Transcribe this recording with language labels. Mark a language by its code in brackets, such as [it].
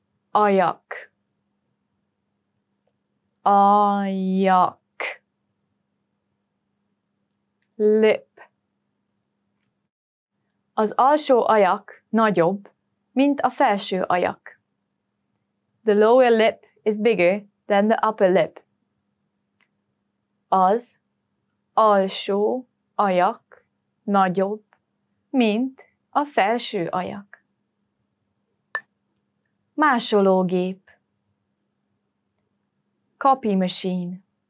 [hu] Ajak. Ajak. [en] Lip. [hu] Az alsó ajak nagyobb, mint a felső ajak. [en] The lower lip is bigger than the upper lip. [hu] Az alsó ajak, nagyobb, mint a felső ajak. Másológép. [en] Copy machine.